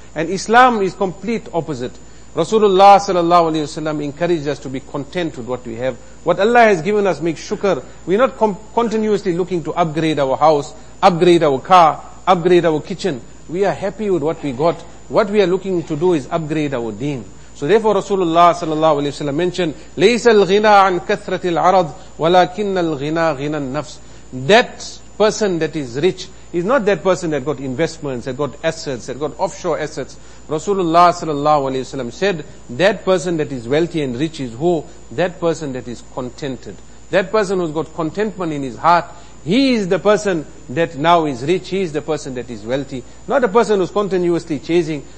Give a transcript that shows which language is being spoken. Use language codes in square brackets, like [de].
[en] And Islam is complete opposite. Rasulullah sallallahu alayhi wa sallam encouraged us to be content with what we have. What Allah has given us, make shukr. We're not continuously looking to upgrade our house, upgrade our car, upgrade our kitchen. We are happy with what we got. What we are looking to do is upgrade our deen. So therefore Rasulullah sallallahu alayhi wa sallam mentioned, [ar] لَيْسَ الْغِنَىٰ عَنْ كَثْرَةِ الْعَرَضِ وَلَكِنَّ الْغِنَىٰ غِنَىٰ النَّفْسِ. [en] That person that is rich is not that person that got investments, that got assets, that got offshore assets. Rasulullah sallallahu alayhi wa sallam said, that person that is wealthy and rich is who? That person that is contented. That person who's got contentment in his heart, he is the person that now is rich, he is the person that is wealthy, not a person who's continuously chasing.